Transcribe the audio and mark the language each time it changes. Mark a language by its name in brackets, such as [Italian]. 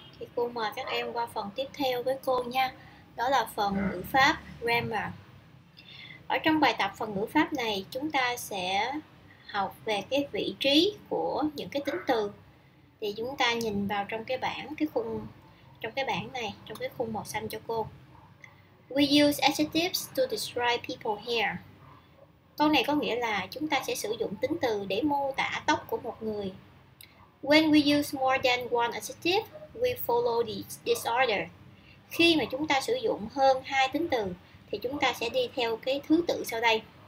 [Vietnamese] Thì cô mời các em qua phần tiếp theo với cô nha. Đó là phần ngữ pháp grammar. Ở trong bài tập phần ngữ pháp này, chúng ta sẽ học về cái vị trí của những cái tính từ. Thì chúng ta nhìn vào trong cái bảng, cái khung trong cái bảng này, trong cái khung màu xanh cho cô. [English] We use adjectives to describe people here. [Vietnamese] Câu này có nghĩa là chúng ta sẽ sử dụng tính từ để mô tả tóc của một người. [English] When we use more than one adjective, we follow the disorder. [Vietnamese] Khi mà chúng ta sử dụng hơn hai tính từ, thì chúng ta sẽ đi theo cái thứ tự sau đây.